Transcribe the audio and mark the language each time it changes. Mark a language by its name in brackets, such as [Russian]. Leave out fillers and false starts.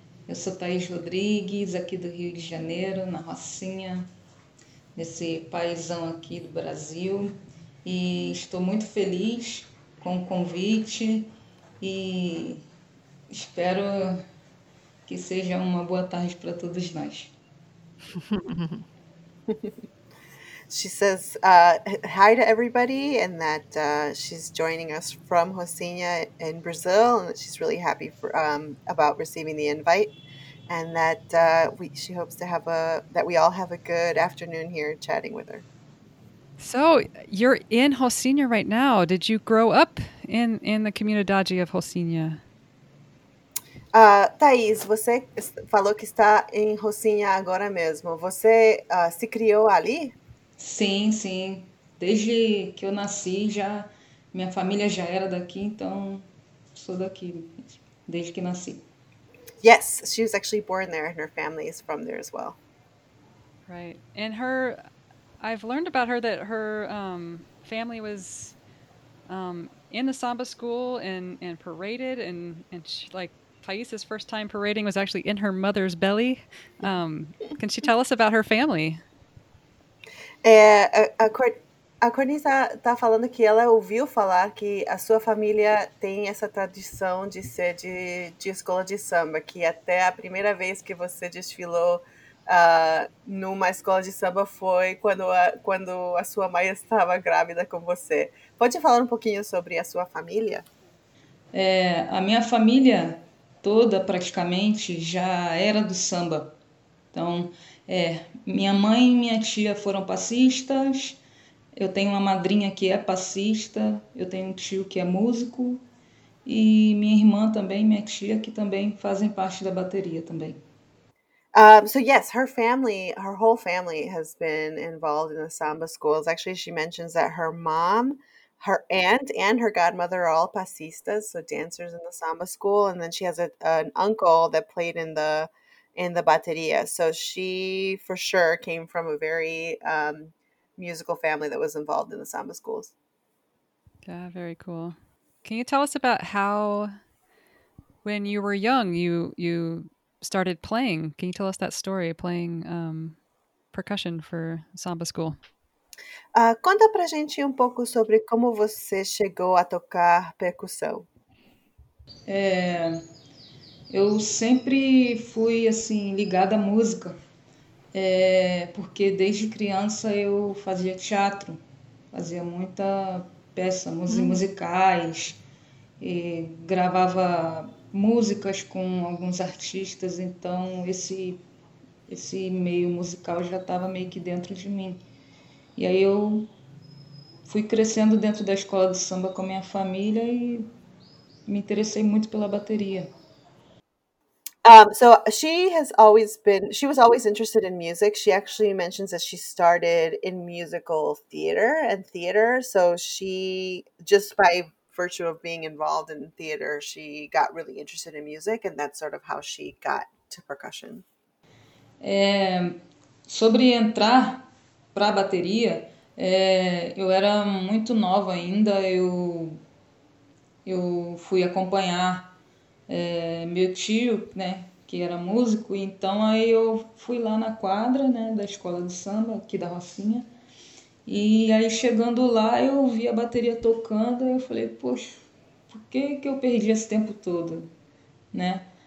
[Portuguese] Eu sou Thaís Rodrigues, aqui do Rio de Janeiro, na Rocinha, nesse paizão aqui do Brasil. E estou muito feliz com o convite e espero... que seja uma boa tarde para todos nós. [English] She says hi to everybody, and that she's joining us from Rocinha in Brazil, and that she's really happy for, about receiving the invite, and that she hopes to have that we all have a good afternoon here chatting with her. So you're in Rocinha right now. Did you grow up in the comunidade of Rocinha? [Portuguese] Thaís, você falou que está em Rocinha agora mesmo. Você se criou ali? Sim, sim. Desde que eu nasci, já minha família já era daqui, então sou daqui desde que nasci. [English] Yes, she was actually born there, and her family is from there as well. Right. And her, I've learned about her that her family was in the Samba school and paraded, and she, like, Thaís's first time parading was actually in her mother's belly. Can she tell us about her family? [Portuguese] A Courtney está falando que ela ouviu falar que a sua família tem essa tradição de ser de escola de samba, que até a primeira vez que você desfilou numa escola de samba foi quando a sua mãe estava grávida com você. Pode falar um pouquinho sobre a sua família? A minha família... toda praticamente já era do samba. Então, minha mãe e minha tia foram passistas, eu tenho uma madrinha que é passista, eu tenho um tio que é músico, e minha irmã também, minha tia, que também fazem parte da bateria também. [English] So yes, her family, her whole family has been involved in the samba schools. Actually, she mentions that her mom, her aunt and her godmother are all pasistas, so dancers in the samba school. And then she has an uncle that played in the bateria. So she, for sure, came from a very musical family that was involved in the samba schools. Yeah, very cool. Can you tell us about how, when you were young, you started playing? Can you tell us that story, playing percussion for samba school? [Portuguese] Conta pra gente um pouco sobre como você chegou a tocar percussão. Eu sempre fui, assim, ligada à música, porque desde criança eu fazia teatro, fazia muita peça, musicais, e gravava músicas com alguns artistas, então esse meio musical já estava meio que dentro de mim. E aí eu fui crescendo dentro da escola de samba com a minha família e me interessei muito pela bateria. [English] So she has always been, she was always interested in music. She actually mentions that she started in musical theater and theater. So she, just by virtue of being involved in theater, she got really interested in music, and that's sort of how she got to percussion. [Portuguese] É, sobre entrar para a bateria, é, eu era muito nova ainda, eu fui acompanhar meu tio, né, que era músico, então aí eu fui lá na quadra, né, da escola de samba, aqui da Rocinha, e aí chegando lá eu vi a bateria tocando, e eu falei, poxa, por que que eu perdi esse tempo todo, né?